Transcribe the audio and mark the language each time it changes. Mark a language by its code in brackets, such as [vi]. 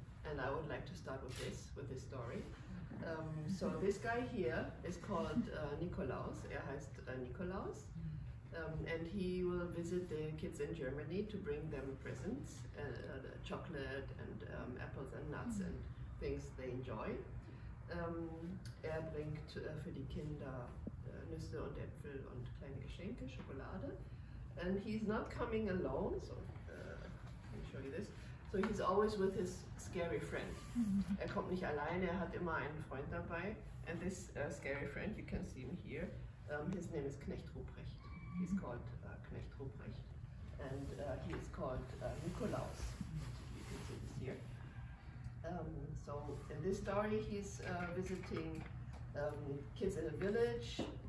[en] And I would like to start with this story. So this guy here is called Nikolaus. [de] Er heißt Nikolaus. [en] And he will visit the kids in Germany to bring them presents, chocolate and apples and nuts and things they enjoy. [de] Er bringt für die Kinder Nüsse und Äpfel und kleine Geschenke, Schokolade. [en] And he's not coming alone, so let me show you this. So he's always with his scary friend. [de] Er kommt nicht alleine, er hat immer einen Freund dabei. [en] And this scary friend, you can see him here, his name is Knecht Ruprecht. He's called Knecht Ruprecht. And he is called Nikolaus. You can see this here. So in this story he's visiting kids in a village.